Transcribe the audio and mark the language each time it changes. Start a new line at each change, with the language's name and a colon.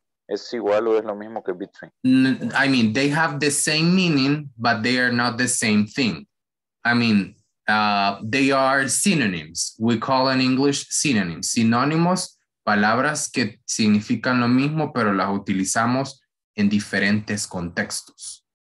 Spanish: Es igual o es lo mismo que between.
English: I mean, they have the same meaning, but they are not the same thing. I mean, they are synonyms. We call in English synonyms.
Spanish: Sinónimos, palabras que significan lo mismo, pero las utilizamos en diferentes contextos.